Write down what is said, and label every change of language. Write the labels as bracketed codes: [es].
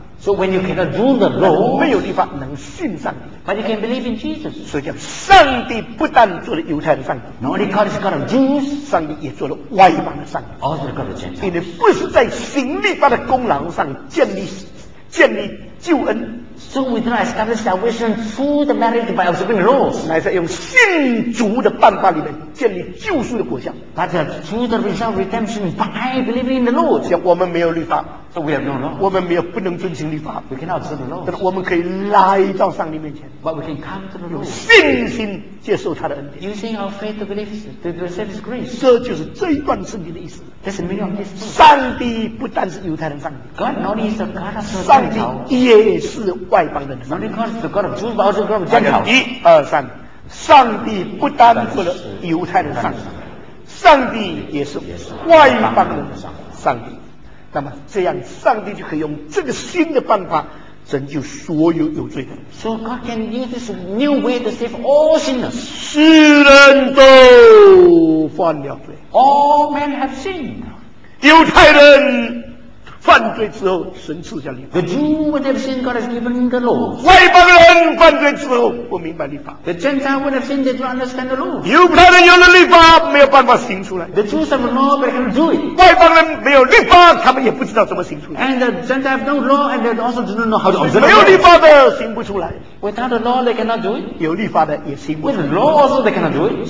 [en] So when you cannot do the law, [zh] 没有律法能信上帝。 [en] But you can believe in Jesus. [zh] 所以叫上帝不但做了犹太的上帝 [en] ，Not only God is God of Jews, [zh] 上帝也做了外邦的上帝 [en] ，Also the God of Gentiles. [zh] 因为不是在行律法的功劳上建立救恩。 [en] So we do not establish salvation through the merit by observing the laws. [zh] 乃是用信主的办法里面建立救赎的果效。 [en] But through the result of redemption by believing in the Lord. [zh] 像我们没有律法。 [en] So we have no law. [zh] 我们没有不能遵行律法。 [en] We cannot observe the laws. [zh] 但是我们可以来到上帝面前。 [en] But we can come to the Lord. [zh] 用信心接受他的恩典。 [en] Using our faith to believe to receive His grace. [zh] 这就是这一段圣经的意思。 [en] That's the meaning of this. [zh] 上帝不但是犹太人上帝。 [en] God not only is the God of the Gentiles. [zh] 上帝也是外邦人。 [en] Not only God is the God of Jews, but also God of Gentiles. [zh] 一二三，上帝不单做了犹太人上帝，上帝也是外邦人的上帝。那么这样，上帝就可以用这个新的办法拯救所有有罪的人。 [en] So God can use this new way to save all sinners. [zh] 世人都犯了罪。 [en] All men have sinned. [zh] 犹太人犯罪之后，神赐下律法。 [en] The Jew would have sinned, God has given the law. [zh] 外邦人犯罪之后不明白律法。 [en] The Gentile would have sinned, they don't understand the law. [zh] 犹太人有了律法，没有办法行出来。 [en] The Jews have law, but they can't do it. [zh] 外邦人没有律法，他们也不知道怎么行出来。 [en] And the Gentile have no law, and they also do not know how to observe. [zh] 没有律法的行不出来。 [en] Without the law, they cannot do it. [zh] 有律法的也行不出来。 [en] With the law also, they cannot do it.